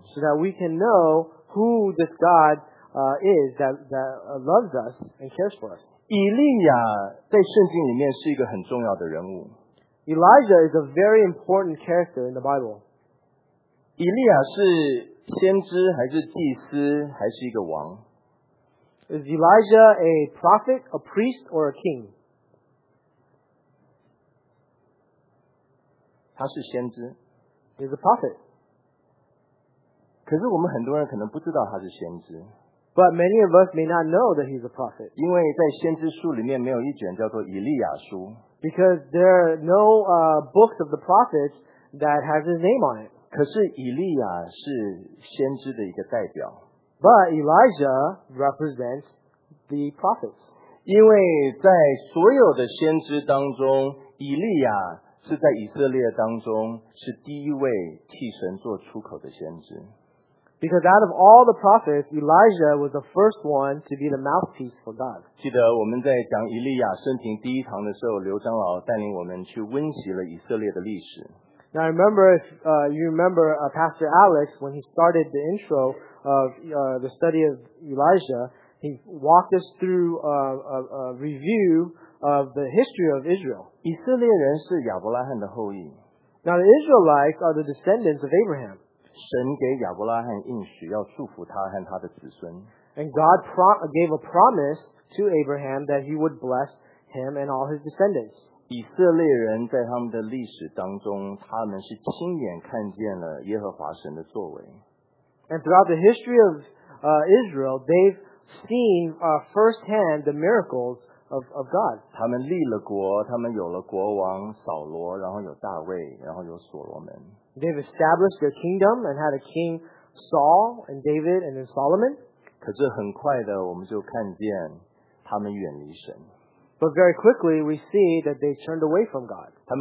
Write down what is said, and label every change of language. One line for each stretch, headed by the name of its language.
English: so that we can know who this God is that loves us and cares for us.
Chinese: 以利亚在圣经里面是一个很重要的人物。
English: Elijah is a very important character in the Bible.
Chinese: 以利亚是先知还是祭司还是一个王?
English: Is Elijah a prophet, a priest, or a king?
Chinese: 他是先知,
English: he's a prophet.
Chinese: 可是我们很多人可能不知道他是先知,
English: but many of us may not know that he's a prophet.
Chinese: 因为在先知书里面没有一卷叫做以利亚书,
English: because there are no books of the prophets that has his name on it.
Chinese: 可是以利亚是先知的一个代表,
English: but Elijah represents the prophets.
Chinese: 因为在所有的先知当中, 以利亚 是在以色列当中是第一位替神做出口的先知,
English: because out of all the prophets, Elijah was the first one to be the mouthpiece for God.
Chinese: 记得我们在讲以利亚生平第一堂的时候，刘长老带领我们去温习了以色列的历史。
English: Now remember, if you remember Pastor Alex, when he started the intro of the study of Elijah, he walked us through a review of the history of Israel.
Chinese: 以色列人是亚伯拉罕的后裔。
English: Now the Israelites are the descendants of Abraham.
Chinese: 神给亚伯拉罕应许要祝福他和他的子孙。
English: And God gave a promise to Abraham that he would bless him and all his descendants.
Chinese: 以色列人在他们的历史当中，他们是亲眼看见了耶和华神的作为。
English: And throughout the history of Israel, they've seen firsthand the miracles of God.
Chinese: 他们立了国，他们有了国王扫罗，然后有大卫，然后有所罗门。
English: They've established their kingdom and had a king Saul and David and then Solomon.
Chinese: 可是很快的，我们就看见他们远离神。
English: But very quickly we see that they turned away from God.